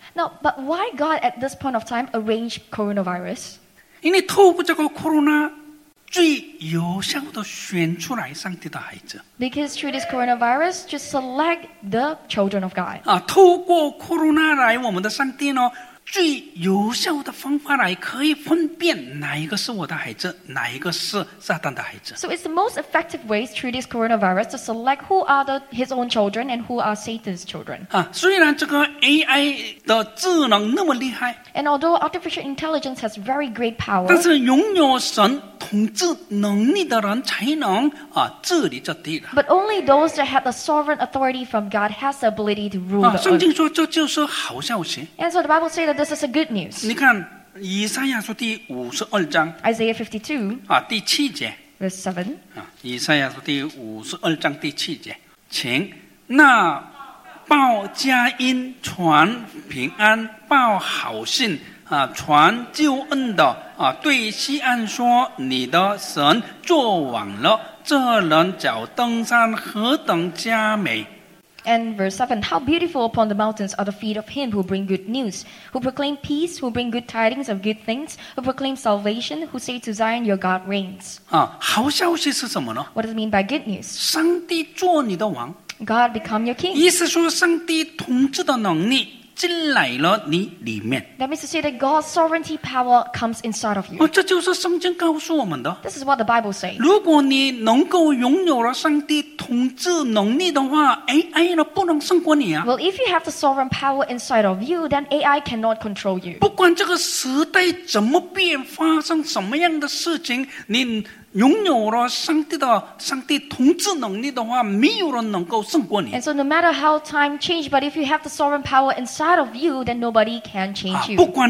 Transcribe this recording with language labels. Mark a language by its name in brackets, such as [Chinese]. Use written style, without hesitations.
[English] Now, but why God at this point of time arranged coronavirus? [Chinese] 因为透过这个corona 最有效地选出来上帝的孩子。 [English] Because through this coronavirus to select the children of God. [Chinese] 透过corona来我们的上帝呢 最有效的方法来可以分辨哪一个是我的孩子，哪一个是撒旦的孩子。 [English] So it's the most effective way through this coronavirus to select who are the, his own children and who are Satan's children. [Chinese] 虽然这个AI的智能那么厉害， [English] and although artificial intelligence has very great power, [Chinese] 但是拥有神统治能力的人才能 治理这地了。 [English] But only those that have the sovereign authority from God has the ability to rule the earth. [Chinese] 圣经说这就是好消息。 [English] And so the Bible says that this is a good news. [Chinese] 你看, 以赛亚书第52章, [English] Isaiah 52, [Chinese] 第七节, [English] verse 7. [Chinese] 以赛亚书第52章第七节, 请那报佳音传平安报好信 传救恩的对西安说你的神作王了这人脚登山何等佳美。 [English] And verse 7, how beautiful upon the mountains are the feet of him who bring good news, who proclaim peace, who bring good tidings of good things, who proclaim salvation, who say to Zion, your God reigns. [Chinese] 好消息是什么呢? [English] What does it mean by good news? [Chinese] 上帝做你的王, [English] God become your king. [Chinese] 意思说上帝统治的能力, 进来了你里面。 [English] That means to say that God's sovereignty power comes inside of you. [Chinese] 这就是圣经告诉我们的。 [English] This is what the Bible says. [Chinese] 如果你能够拥有了上帝统治能力的话， AI呢不能胜过你啊。 [English] Well, if you have the sovereign power inside of you, then AI cannot control you. [Chinese] 不管这个时代怎么变，发生什么样的事情， 拥有了上帝的统治能力的话，没有人能够胜过你。 [English] And so no matter how time change, but if you have the sovereign power inside of you, then nobody can change you.